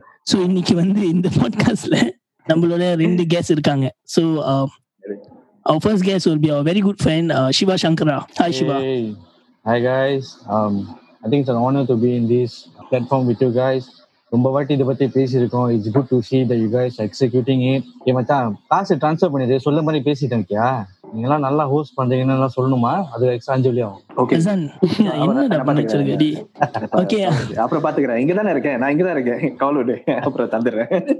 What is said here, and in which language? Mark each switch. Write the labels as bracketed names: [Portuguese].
[Tamil] So இன்னைக்கு வந்து இந்த பாட்காஸ்ட்ல நம்மளோட ரெண்டு கேஸ்ட் இருக்காங்க. [English] So our first guest will be our very good friend Shiva Shankara. Hi Shiva. Hey. Hi guys. I think it's an honor to be in this platform with you guys. [Tamil] ரொம்ப வாட்டி இதை பத்தி பேசியிருக்கோம். [English] It's good to see the you guys executing it. [Tamil] ஏ மச்சா, காசு transfer பண்ணி சொல்ல மாதிரி பேசிட்டேன். கியா நீங்க எல்லாம் நல்லா ஹோஸ்ட் பண்றீங்கன்னு சொல்லணுமா? அது எக்ஸ்ட்ரா அஞ்சலி ஆகும். ஓகே, அப்புறம் பாத்துக்கிறேன். இங்கதானே இருக்கேன், நான் இங்கதான் இருக்கேன். கால் விடு, அப்புறம் தந்துடுறேன்.